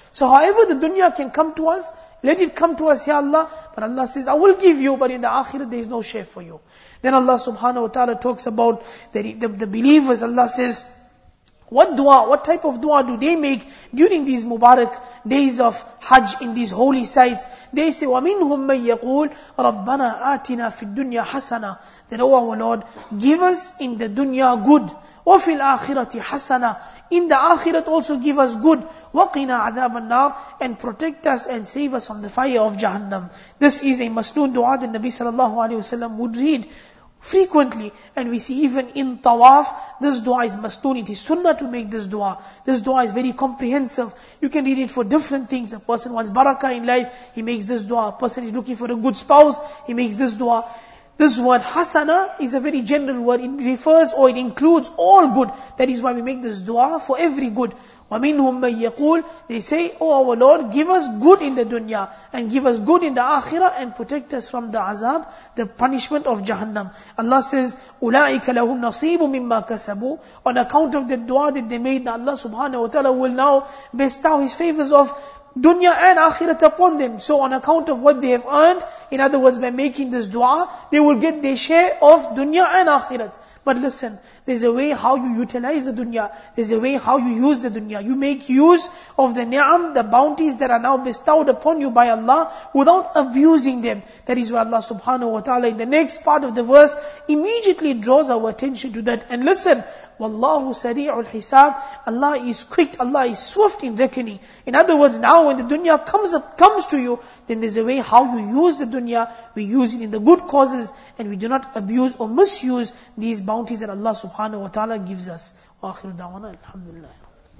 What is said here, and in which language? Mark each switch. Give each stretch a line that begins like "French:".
English: So however the dunya can come to us, let it come to us, ya Allah. But Allah says, I will give you, but in the akhirah there is no share for you. Then Allah subhanahu wa ta'ala talks about the believers. Allah says, What dua, what type of dua do they make during these Mubarak days of Hajj in these holy sites? They say,
Arabic: وَمِنْهُمْ مَنْ يَقُولُ رَبَّنَا آتِنَا فِي الدُّنْيَا حَسَنًا.
English: That, oh our Lord, give us in the dunya good.
Arabic: وَفِي الْآخِرَةِ حَسَنًا.
English: In the akhirat also give us good.
Arabic: وَقِنَا عَذَابَ النَّارِ.
English: And protect us and save us from the fire of Jahannam. This is a masnoon dua that Nabi sallallahu alayhi wa sallam would read frequently, and we see even in tawaf, this dua is masnoon. It is sunnah to make this dua. This dua is very comprehensive. You can read it for different things. A person wants barakah in life, he makes this dua. A person is looking for a good spouse, he makes this dua. This word hasana is a very general word. It refers or it includes all good. That is why we make this dua for every good.
Arabic: وَمِنْهُمْ مَنْ يَقُولُ.
English: They say, oh our Lord, give us good in the dunya and give us good in the akhirah and protect us from the azab, the punishment of Jahannam. Allah says,
Arabic: أُولَٰئِكَ لَهُمْ نَصِيبٌ مِمَّا كَسَبُوا.
English: On account of the dua that they made, Allah subhanahu wa ta'ala will now bestow His favors of dunya and akhirat upon them. So on account of what they have earned, in other words, by making this dua, they will get their share of dunya and akhirat. But listen, there's a way how you utilize the dunya. There's a way how you use the dunya. You make use of the ni'am, the bounties that are now bestowed upon you by Allah, without abusing them. That is why Allah subhanahu wa ta'ala in the next part of the verse immediately draws our attention to that. And listen,
Arabic: وَاللَّهُ سَرِيعُ الْحِسَابِ.
English: Allah is quick, Allah is swift in reckoning. In other words, now when the dunya comes to you, then there's a way how you use the dunya. We use it in the good causes, and we do not abuse or misuse these bounties that Allah subhanahu wa ta'ala gives us.
Arabic: وَآخِرُ دَعْوَانَا الْحَمْدُ لِلَّهِ.